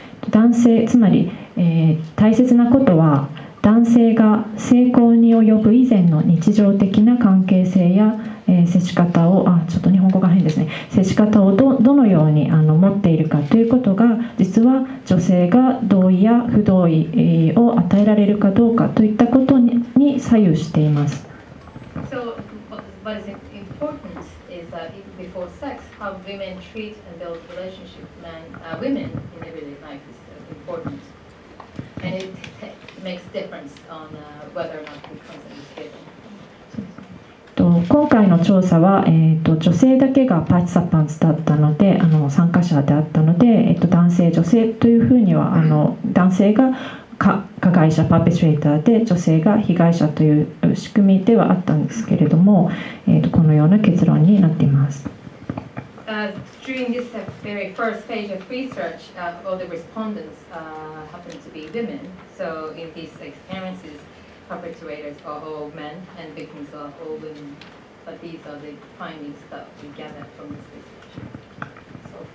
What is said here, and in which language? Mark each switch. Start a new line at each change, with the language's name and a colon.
Japanese: 男性、つまり、大切なことは男性が性交に及ぶ以前の日常的な関係性や、接し方を、ちょっと日本語が変ですね、接し方を どのように持っているかということが、実は女性が同意や不同意を与えられるかどうかといったことに左右しています。
English: So what is important is that before sex, how women treat and build relationship women in everyday life is important and itMakes difference on whether or not the consent is given.
Japanese: 今回の調査は、女性だけがパーティサパンツだったので、参加者であったので、男性女性というふうには、男性が加害者パーペチュエーターで女性が被害者という仕組みではあったんですけれども、このような結論になっています。
English: During this very first phase of research, all the respondents happened to be women. So in these experiences, perpetrators are all men and victims are all women. But these are the findings that we gathered from this research so far.